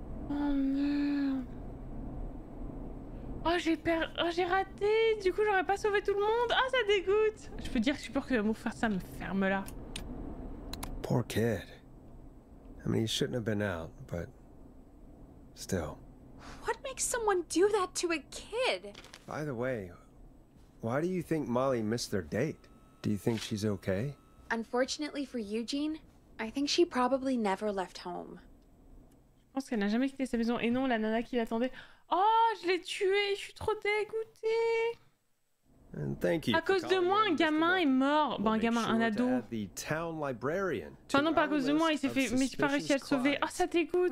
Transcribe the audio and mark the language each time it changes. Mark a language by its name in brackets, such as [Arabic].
[French] Oh merde. Oh, j'ai raté. Du coup, j'aurais pas sauvé tout le monde. Ah, oh, ça dégoûte. Je peux dire que je suis pour que mon frère Sam me ferme là. [English] Poor kid. I mean, he shouldn't have been out, but still. What makes someone do that to a kid? By the way, why do you think Molly missed their date? Do you think she's okay? Unfortunately for Eugene, I think she probably never left home. [French] Je pense qu'elle n'a jamais quitté sa maison et non, la nana qui l'attendait. Oh, je l'ai tué, je suis trop dégoûtée. [English] And thank you. [French] À cause de moi, un gamin est mort. Bon, un gamin, un ado. Enfin non, pas à cause de moi, il s'est fait... Mais j'ai pas réussi à le sauver. Oh, ça dégoûte.